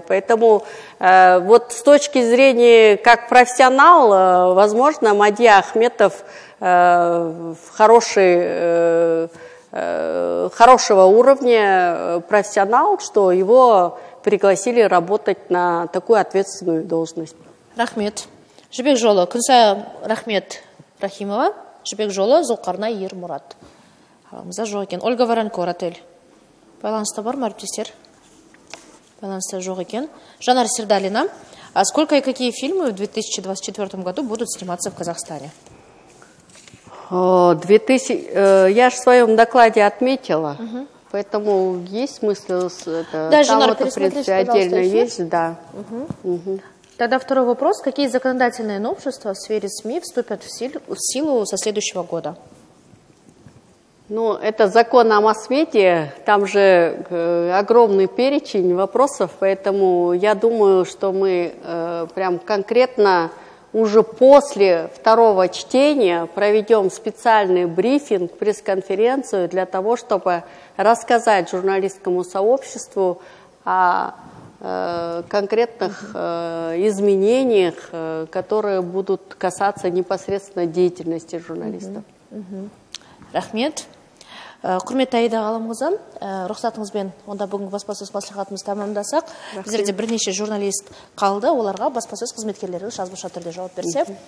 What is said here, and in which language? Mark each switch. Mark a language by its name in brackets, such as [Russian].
[Russian] Поэтому вот с точки зрения как профессионал, возможно, Мадия Ахметов хорошего уровня профессионал, что его пригласили работать на такую ответственную должность. [Kazakh] Рахмет. Жібек жолы, күнсай Рахмет Рахимова, Жібек жолы, Зулқарна Ермұрат. Алмаза жоқ екен. Ольга Варанко, Ротель. Байланыста бар ма, әріптестер? Байланыста жоқ екен. [Russian] Жанар Сердалина, а сколько и какие фильмы в 2024 году будут сниматься в Казахстане? Я же в своем докладе отметила, угу. Поэтому есть смысл с это, там Жанар, это, в принципе, отдельно есть, да. Тогда второй вопрос. Какие законодательные новшества в сфере СМИ вступят в силу со следующего года? Ну, это закон о масс-медиа. Там же огромный перечень вопросов, поэтому я думаю, что мы прям конкретно уже после второго чтения проведем специальный брифинг, пресс-конференцию для того, чтобы рассказать журналистскому сообществу о конкретных изменениях, которые будут касаться непосредственно деятельности журналистов. [Kazakh] Рахмет. Құрметті Аида ғалымыңызды, рұқсатыңызбен онда бүгін баспасөз мәслихатымыз тәмамдасақ, біздерде бірнеше журналист қалды, оларға баспасөз қызметкерлері жазбаша түрде жауап берсе.